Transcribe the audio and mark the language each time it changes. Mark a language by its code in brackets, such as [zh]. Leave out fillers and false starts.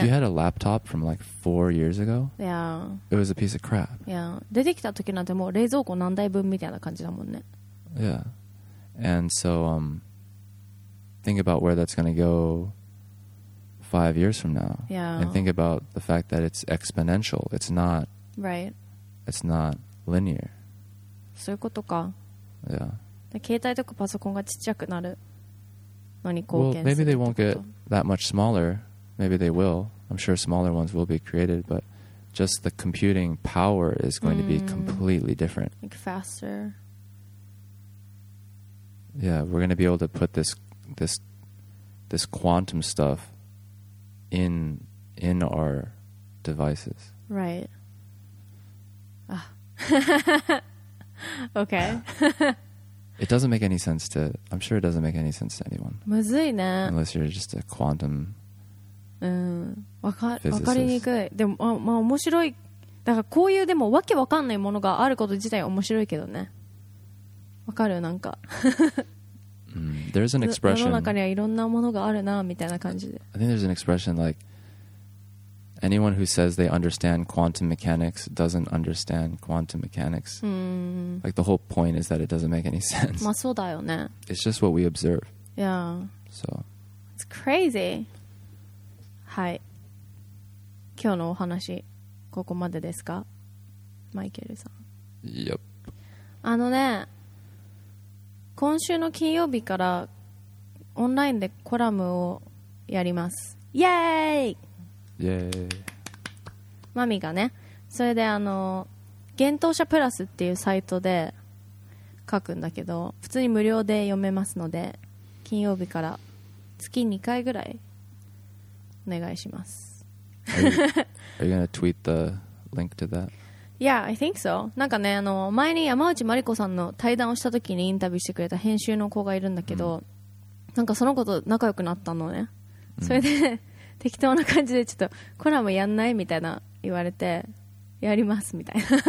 [en] If you had a laptop from like 4 years ago, yeah, it was a piece of crap. [ja] Yeah, 出てきた時なんてもう冷蔵庫何台分みたいな感じだもんね。 [en] Yeah, and so think about where that's going to go 5 years from now. Yeah, and think about the fact that it's exponential. It's not right. It's not linear. [ja] そういうことか。 [en] Yeah. [ja] 携帯とかパソコンがちっちゃくなるのに貢献するってこと。 [en] Well, maybe they won't get that much smaller. Maybe they will. I'm sure smaller ones will be created, but just the computing power is going to be completely different. Like faster. Yeah, we're going to be able to put this quantum stuff in our devices. Right. Ah. Okay. It doesn't make any sense to... I'm sure it doesn't make any sense to anyone. [ja] むずいね。 [en] Unless you're just a quantum [ja] physicist. わかりにくい。でも、まあ面白い。だからこういうでもわけわかんないものがあること自体面白いけどね。わかるなんか。 [en] There's an expression... [ja] 世の中にはいろんなものがあるなみたいな感じで。 [en] I think there's an expression like... Anyone who says they understand quantum mechanics doesn't understand quantum mechanics. Like the whole point is that it doesn't make any sense. [ja] まあそうだよね。 [en] It's just what we observe. Yeah. So. It's crazy. はい。 [ja] 今日のお話ここまでですか、マイケルさん。 [en] Yep. [ja] あのね、今週の金曜日からオンラインでコラムをやります。イエーイ。 [en] Yay. [ja] マミがね、それで幻冬舎プラスっていうサイトで書くんだけど、普通に無料で読めますので、金曜日から月2回ぐらいお願いします。 [en] Are you gonna tweet the link to that? Yeah, I think so. [ja] なんかね、前に山内まりこさんの対談をした時にインタビューしてくれた編集の子がいるんだけど、なんかその子と仲良くなったのね、それで適当な感じでちょっとコラムやんないみたいな言われてやりますみたいな。